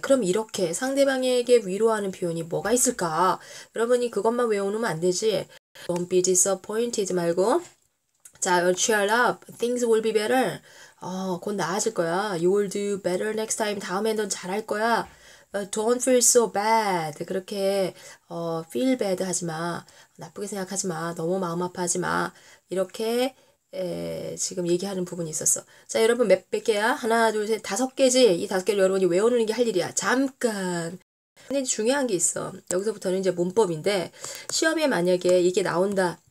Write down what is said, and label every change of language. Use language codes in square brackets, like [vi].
[ko] 그럼 이렇게 상대방에게 위로하는 표현이 뭐가 있을까? 여러분이 그것만 외워놓으면 안 되지. [en] Don't be disappointed [ko] 말고. 자, [en] cheer up. Things will be better. [ko] 곧 나아질 거야. [en] You will do better next time. [ko] 다음엔 넌 잘할 거야. [en] Don't feel so bad. [ko] 그렇게, [en] feel bad [ko] 하지 마. 나쁘게 생각하지 마. 너무 마음 아파하지 마. 이렇게, 지금 얘기하는 부분이 있었어. 자, 여러분, 몇 개야? 하나, 둘, 셋, 다섯 개지? 이 다섯 개를 여러분이 외우는 게할 일이야. 잠깐. 근데 중요한 게 있어. 여기서부터는 이제 문법인데, 시험에 만약에 이게 나온다.